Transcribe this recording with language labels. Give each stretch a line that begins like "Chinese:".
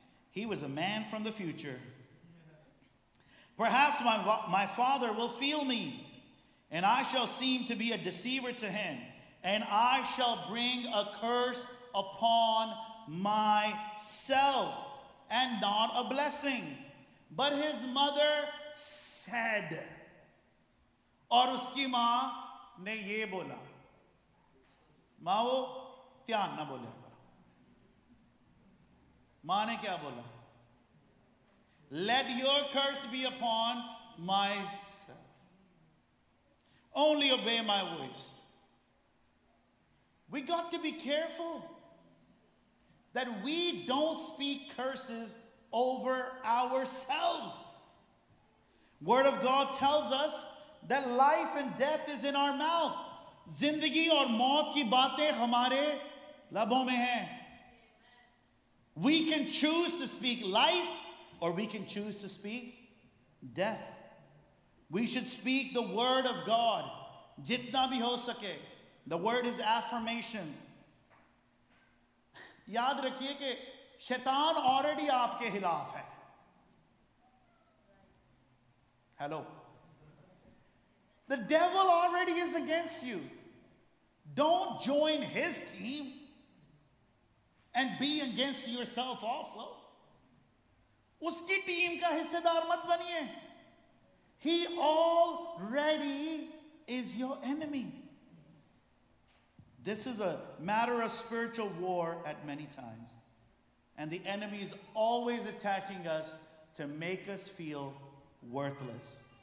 English: He was a man from the future. Perhaps my father will feel me, and I shall seem to be a deceiver to him, and I shall bring a curse upon myself, and not a blessing. But his mother said,
Hindi: और उसकी माँ ने ये बोला, माँ वो ध्यान ना बोले, माँ ने क्या बोला?
English: Let your curse be upon myself. Only obey my voice. We got to be careful that we don't speak curses over ourselves. Word of God tells us that life and death is in our mouth.
Hindi: Zindagi aur maut ki baatein hamare labon mein hain.
English: We can choose to speak life, or we can choose to speak death. We should speak the word of God.
Hindi: Jitna bhi ho sake.
English: The word is affirmation.
Hindi: Yaad rakhiye ke shaitan already aapke khilaf hai.
English: Hello. The devil already is against you. Don't join his team and be against yourself also.
Hindi: उसकी team का हिस्सेदार मत बनिए.
English: He already is your enemy. This is a matter of spiritual war at many times. And the enemy is always attacking us to make us feel worthless.